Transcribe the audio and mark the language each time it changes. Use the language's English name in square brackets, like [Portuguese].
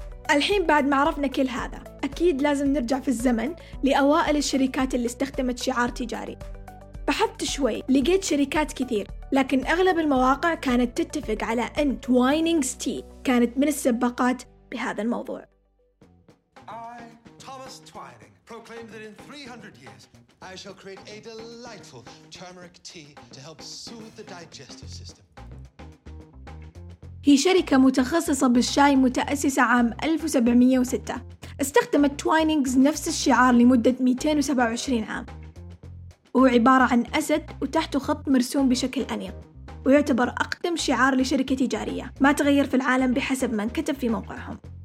[Arabic] الحين بعد ما عرفنا كل هذا أكيد لازم نرجع في الزمن لأوائل الشركات اللي استخدمت شعار تجاري. بحثت شوي لقيت شركات كثير، لكن أغلب المواقع كانت تتفق على أن توينينغز تي كانت من السباقات بهذا الموضوع. [English] I, Thomas Twining, proclaimed that in 300 years I shall create a delightful turmeric tea to help soothe the digestive system. [Arabic] هي شركة متخصصة بالشاي متأسسة عام 1706. استخدمت توينينغز نفس الشعار لمدة 227 عام، وهو عبارة عن أسد وتحته خط مرسوم بشكل أنيق، ويعتبر أقدم شعار لشركة تجارية ما تغير في العالم بحسب ما انكتب في موقعهم.